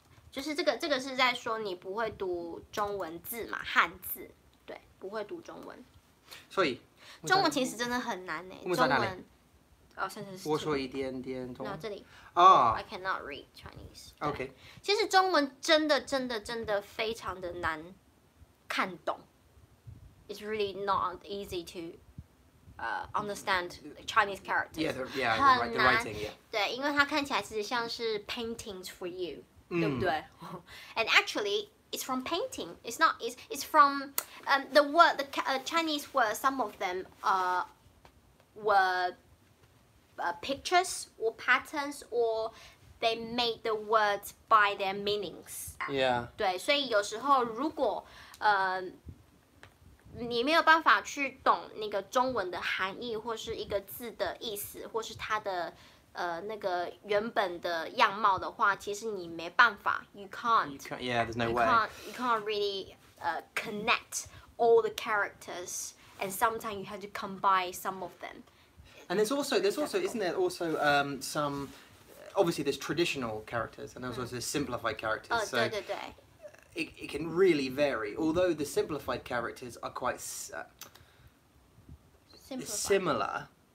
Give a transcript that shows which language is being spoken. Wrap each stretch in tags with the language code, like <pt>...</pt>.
<zh>就是这个是在说你不会读中文字嘛，汉字，对，不会读中文。所以，中文其实真的很难呢。中文，我说一点点中文。这里。哦。</zh> <en>I cannot read Chinese. OK.</en> <zh>其实中文真的非常的难看懂。</zh> <en>It's really not easy to understand Chinese characters. Yeah, the writing. Yeah.</en> <zh>对，因为它看起来其实像是</zh> <en>paintings for you.</en> <zh>对不对</zh> <en>And actually, it's from painting. It's not. It's from the word. The Chinese word. Some of them were pictures or patterns, or they made the words by their meanings. Yeah.</en> <zh>对，所以有时候如果你没有办法去懂那个中文的含义，或是一个字的意思，或是它的那个原本的样貌的话，其实你没办法。</zh> <en>You can't really connect all the characters, and sometimes you have to combine some of them. And there's also some, obviously there's traditional characters, and there's also there's simplified characters. Oh, so</en> <zh>对对对。</zh> <en>It can really vary, although the simplified characters are quite similar.</en>